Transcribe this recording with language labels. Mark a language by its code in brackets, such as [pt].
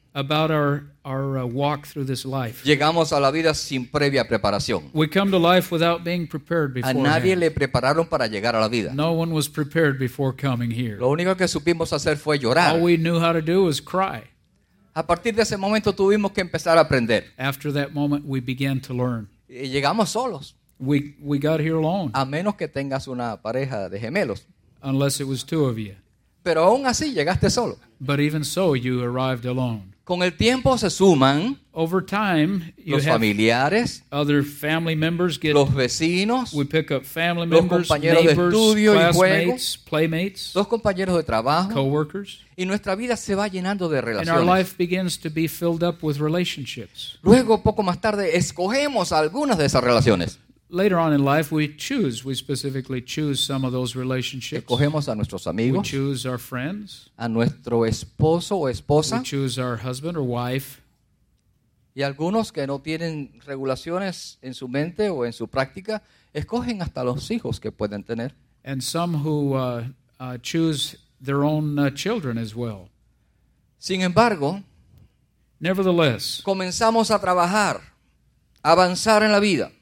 [en] About our walk through this life. [es] Llegamos a la vida sin previa preparación. [en] We come to life without being prepared beforehand. [es] A nadie le prepararon para llegar a la vida. [en] No one was prepared before coming here. [es] Lo único que supimos hacer fue llorar. [en] All we knew how to do was cry. [es] A partir de ese momento tuvimos que empezar a aprender. [en] After that moment we began to learn. [es] Y llegamos solos. [en] We got here alone. [es] A menos que tengas una pareja de gemelos. [en] Unless it was two of you. [es] Pero aún así llegaste solo. [en] But even so you arrived alone. [es] Con el tiempo se suman [en] over time, [es] los familiares, [en] other family members get, [es] los vecinos, [en] we pick up family members, [es] los compañeros de estudio y juego, [en] playmates, [es] los compañeros de trabajo, [en] coworkers, [es] y nuestra vida se va llenando de relaciones. [en] And our life begins to be filled up with relationships. [es] Luego, poco más tarde, escogemos algunas de esas relaciones. [en] Later on in life, we specifically choose some of those relationships. [es] Escogemos a nuestros amigos. [en] We choose our friends. [es] A nuestro esposo o esposa. [en] We choose our husband or wife. [es] Y algunos que no tienen regulaciones en su mente o en su práctica, escogen hasta los hijos que pueden tener. [en] And some who choose their own children as well. [es] Sin embargo, [en] nevertheless, [es] comenzamos a trabajar, avanzar en la vida.